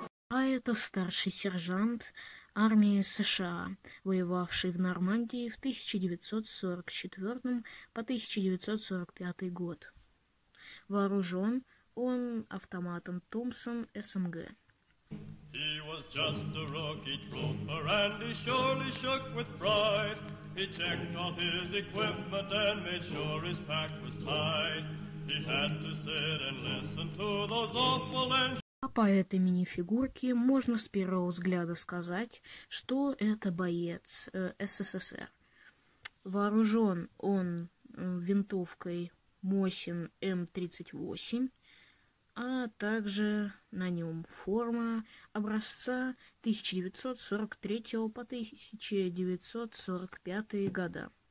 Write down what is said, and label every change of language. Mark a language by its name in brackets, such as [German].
[Russian] А это старший сержант армии США, воевавший в Нормандии в 1944 по 1945 год. Вооружен он автоматом Томпсон СМГ. [English] He was just a rocket roper, and he surely shook with pride. He checked all his equipment and made sure his pack was tied. He had to sit and listen to those awful engines. [Russian] А по этой минифигурке можно с первого взгляда сказать, что это боец СССР. Вооружен он винтовкой Мосин М38, а также на нем форма образца 1943 по 1945 года.